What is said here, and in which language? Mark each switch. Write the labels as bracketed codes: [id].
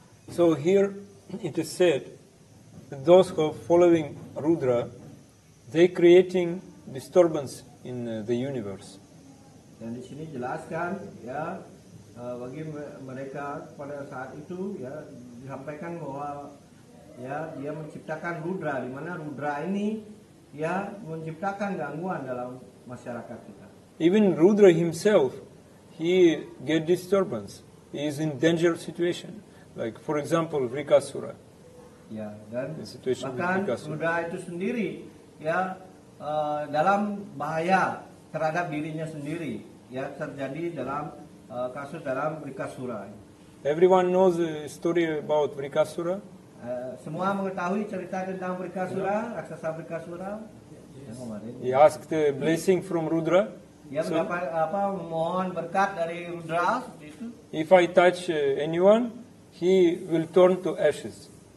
[en] So here it is said that those who are following Rudra, they creating disturbance in the universe. [id] Dan di sini jelaskan ya bagi mereka pada saat itu ya disampaikan bahwa ya, dia menciptakan Rudra, di mana Rudra ini ya menciptakan gangguan dalam masyarakat kita. [en] Even Rudra himself, he get disturbance. He is in danger situation. Like for example, Vrikasura. [id] Ya, dan bahkan Rudra itu sendiri ya dalam bahaya terhadap dirinya sendiri. Ya, terjadi dalam kasus dalam Vrikasura. [en] Everyone knows the story about Vrikasura. [id] Semua mengetahui cerita tentang Vrikasura, raksasa Vrikasura. [en] Yes. He asked the blessing from Rudra. [id] Dia so, mendapat apa? Mohon berkat dari Rudra. [en] If I touch anyone, he will turn to ashes.